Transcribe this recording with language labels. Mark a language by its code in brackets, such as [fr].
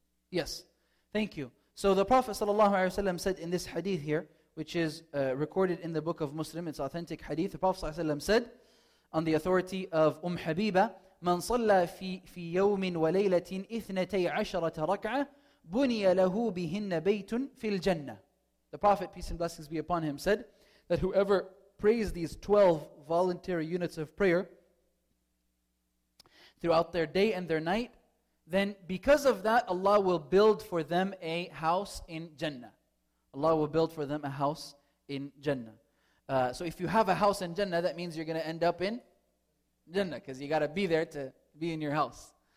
[en] Yes, thank you. So the Prophet ﷺ said in this hadith here, which is recorded in the book of Muslim, it's authentic hadith. The Prophet ﷺ said, on the authority of Habiba, [ar] "من صلى في يوم وليلة إثنتي عشرة ركعة بني له بهن بيت في الجنة." [en] The Prophet, peace and blessings be upon him, said that whoever prays these 12 voluntary units of prayer throughout their day and their night, then because of that, Allah will build for them a house in Jannah. Allah will build for them a house in Jannah. So if you have a house in Jannah, that means you're going to end up in Jannah, because you got to be there to be in your house.